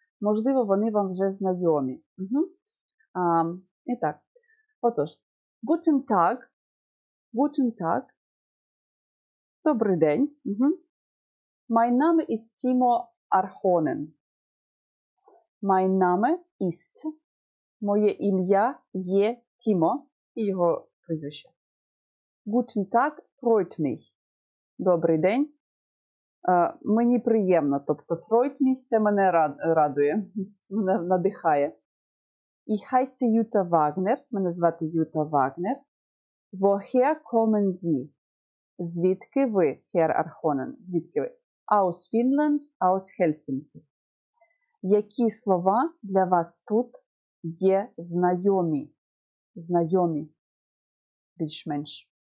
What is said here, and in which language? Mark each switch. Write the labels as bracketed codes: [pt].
[uk] Можливо, вони вам вже знайомі. Угу. І так. [de] Отож, Guten Tag. Guten Tag. [uk] Добрий день. Угу. [de] Mein Name ist Timo Arhonen. Mein Name ist. [uk] Моє ім'я є Тімо. І його прізвище. [de] Guten Tag. Freut mich. [uk] Добрий день. Мені приємно, тобто [de] Freut mich, [uk] це мене радує, це мене надихає. [de] Ich heiße Jutta Wagner, [uk] мене звати Jutta Wagner. [de] Woher kommen Sie? [uk] Звідки ви, Herr Arhonen, звідки ви? [de] Aus Finland, aus Helsinki. [uk] Які слова для вас тут є знайомі? Знайомі, більш-менш.